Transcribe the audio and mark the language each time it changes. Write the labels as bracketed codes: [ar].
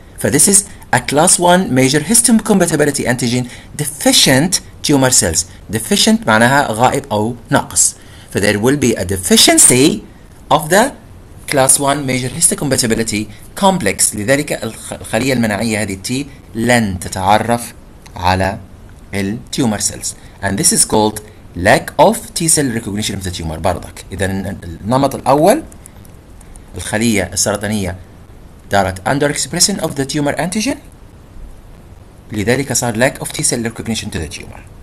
[en] فthis is a class 1 major histocompatibility antigen deficient tumor cells. deficient [ar] معناها غائب او ناقص. [en] ف there will be a deficiency of the class 1 major histocompatibility complex. [ar] لذلك الخلية المناعية هذه T لن تتعرف على التيومر سيلز. [en] and this is called lack of T cell recognition of the tumor. [ar] برضك إذا النمط الأول الخلية السرطانية دارت [en] under expression of the tumor antigen، [ar] لذلك صار [en] lack of T cell recognition to the tumor.